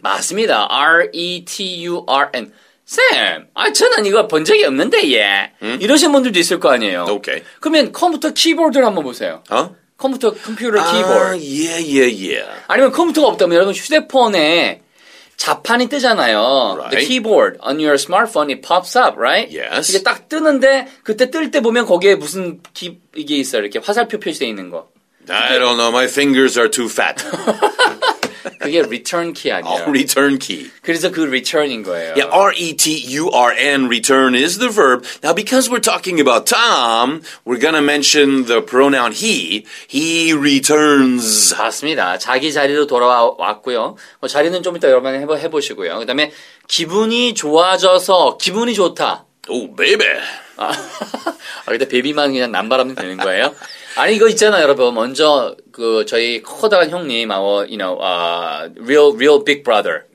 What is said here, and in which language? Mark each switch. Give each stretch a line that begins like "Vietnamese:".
Korean: 맞습니다. R-E-T-U-R-N. Sam, 아, 저는 이거 본 적이 없는데, 예. 이러신 분들도 있을 거 아니에요.
English: Okay.
Korean: 그러면 컴퓨터 키보드를 한번 보세요. 어? 컴퓨터 컴퓨터 키보드. 아, 예, 예, 예. 아니면 컴퓨터가 없다면 여러분 휴대폰에 자판이 뜨잖아요.
English: Right. The keyboard on your smartphone, it pops up, right? Yes.
Korean: 이게 딱 뜨는데, 그때 뜰 때 보면 거기에 무슨 기, 이게 있어요. 이렇게 화살표 표시되어 있는 거.
English: I don't know. My fingers are too fat.
Korean: 그게 return key 아니에요.
English: Oh, return key.
Korean: 그래서 그 return인 거예요.
English: Yeah, R-E-T-U-R-N, return is the verb. Now, because we're talking about Tom, we're going to mention the pronoun he. He returns.
Korean: 맞습니다. 자기 자리로 돌아왔고요. 뭐 자리는 좀 이따 여러분 해보시고요. 그 다음에 기분이 좋아져서 기분이 좋다.
English: Oh, baby.
Korean: 아, 근데 baby만 그냥 남바람이 되는 거예요? 아니 이거 있잖아요 여러분 먼저 그 저희 커다란 형님
English: our, you know, real big brother